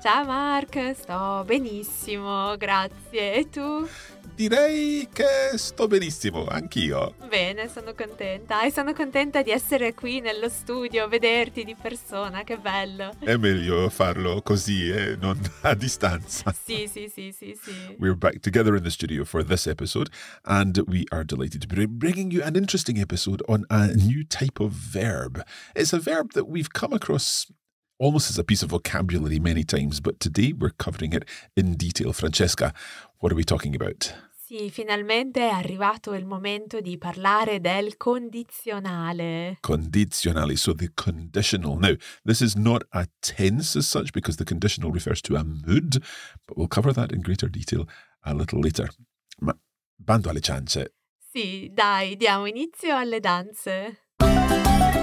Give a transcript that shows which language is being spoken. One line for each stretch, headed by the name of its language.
Italian: Ciao Mark, sto benissimo, grazie. E tu? Direi che sto benissimo, anch'io. Bene, sono contenta. E sono contenta di essere qui nello studio, vederti di persona, che bello. È meglio farlo così, non a distanza. Sì.
English: We're back together in the studio for this episode, and we are delighted to be bringing you an interesting episode on a new type of verb. It's a verb that we've come across almost as a piece of vocabulary many times, but today we're covering it in detail. Francesca, what are we talking about?
Italian: Sì, finalmente è arrivato il momento di parlare del condizionale.
English: Condizionale, so the conditional. Now, this is not a tense as such because the conditional refers to a mood, but we'll cover that in greater detail a little later.
Italian: Ma bando alle ciance. Sì, dai, diamo inizio alle danze.